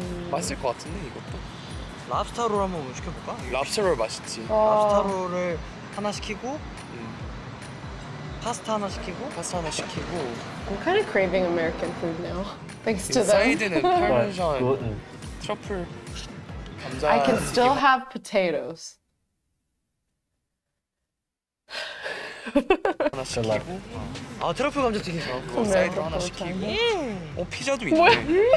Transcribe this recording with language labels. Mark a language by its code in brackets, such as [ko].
[ko] 맛있을 것 같은데 이것도. 랍스터 롤 한번 시켜볼까? 랍스터 롤 맛있지. 아. 랍스터 롤을 하나 시키고. 파스타 하나 시키고. 파스타 하나 시키고. [en] I'm kind of craving American food now, thanks to them. [ko] 사이드는 파르메산, 트러플, 감자. [en] I can still have potatoes. [ko] 하나 시키고. 아 트러플 감자 튀김 좋았고. 사이드 하나 시키고. 오 피자도 있네.